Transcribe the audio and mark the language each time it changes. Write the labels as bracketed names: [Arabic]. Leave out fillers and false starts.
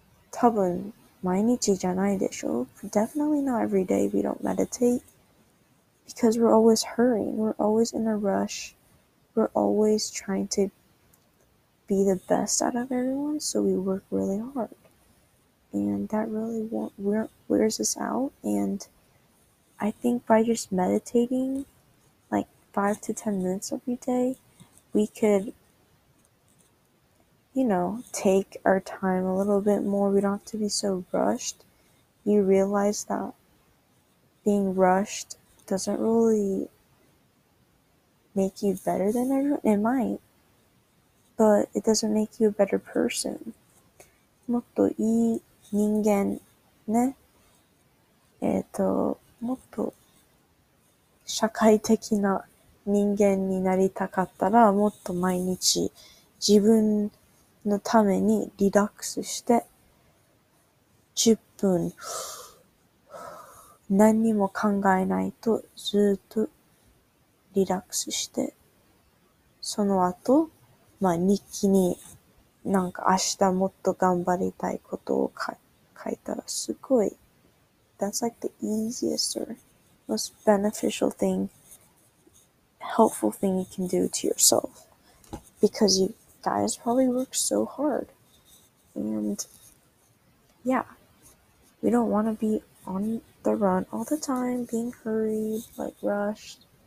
[Japanese] 多分、毎日じゃないでしょ。 [English] Definitely not every day we don't meditate. Because we're always hurrying, we're always in a rush, we're always trying to be the best out of everyone, so we work really hard. And that really wears us out. And I think by just meditating like 5 to 10 minutes every day, we could, take our time a little bit more. We don't have to be so rushed. You realize that being rushed doesn't really make you better than everyone. It might, but it doesn't make you a better person. [Japanese] もっといい人間ね。もっと社会的な人間になりたかったら、もっと毎日自分のためにリラックスして、10分、何にも考えないとずっとリラックスして、その後、まあ日記になんか明日もっと頑張りたいことを書いたらすごい。 [English] That's like the easiest or most beneficial thing, helpful thing you can do to yourself. Because you guys probably work so hard. And yeah, we don't want to be on the run all the time, being hurried, like rushed.